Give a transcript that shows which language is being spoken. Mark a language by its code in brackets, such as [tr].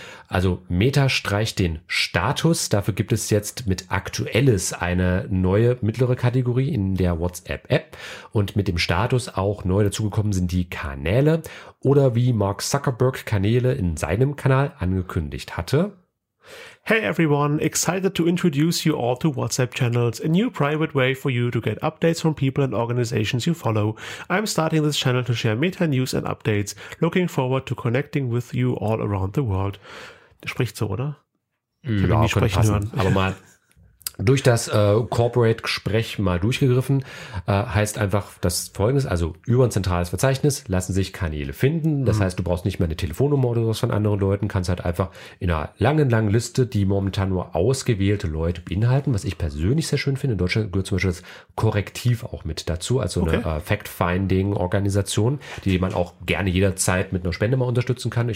[de] Also Meta streicht den Status. Dafür gibt es jetzt mit Aktuelles eine neue mittlere Kategorie in der WhatsApp-App. Und mit dem Status auch neu dazugekommen sind die Kanäle. Oder wie Mark Zuckerberg Kanäle in seinem Kanal angekündigt hatte. [en] Hey everyone, excited to introduce you all to WhatsApp Channels, a new private way for you to get updates from people and organizations you follow. I'm starting this channel to share Meta news and updates. Looking forward to connecting with you all around the world. [de] Spricht so, oder? Ja, könnte passen. Hören. Aber mal durch das Corporate-Gespräch mal durchgegriffen, heißt einfach das Folgende, also über ein zentrales Verzeichnis lassen sich Kanäle finden. Das heißt, du brauchst nicht mehr eine Telefonnummer oder sowas von anderen Leuten, kannst halt einfach in einer langen, langen Liste, die momentan nur ausgewählte Leute beinhalten, was ich persönlich sehr schön finde. In Deutschland gehört zum Beispiel das Korrektiv auch mit dazu, also eine Fact-Finding-Organisation, die man auch gerne jederzeit mit einer Spende mal unterstützen kann.